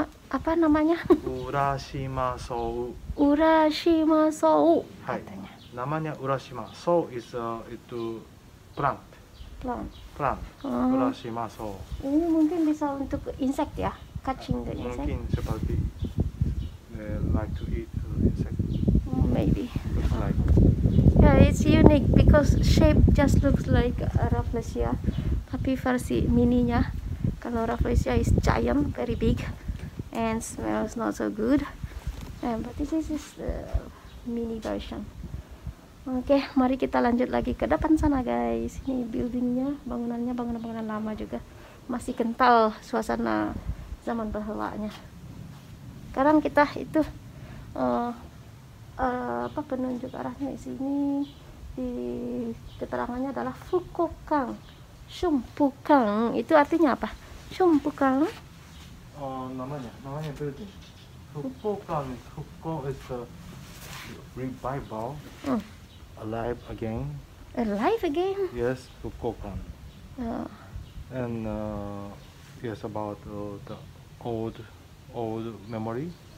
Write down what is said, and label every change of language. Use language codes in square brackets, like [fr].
[id] Apa namanya? Urashima Sou. Urashima Sou. Hai. Namanya Urashima Sou is itu plant. [en] Plant. Urashima Sou. [id] Ini mungkin bisa untuk insect ya, catching the insect. [en] Mungkin seperti like to eat insect. Maybe. Looks like. Yeah, it's unique because shape just looks like a Rafflesia. Tapi versi mininya, kalau Rafflesia is giant, very big, and smells not so good. [id] But this is the mini version. Okay, mari kita lanjut lagi ke depan sana, guys. Ini buildingnya, bangunannya bangunan-bangunan lama juga. Masih kental suasana zaman bahelanya. Sekarang kita itu. Apa penunjuk arahnya di sini, di keterangannya adalah Fukukang, Shumpukang. Itu artinya apa? Shumpukang? Namanya building. [en] Fukukang, Fuku is revival, alive again. Alive again? Yes, Fukukang. And yes, about the old memory.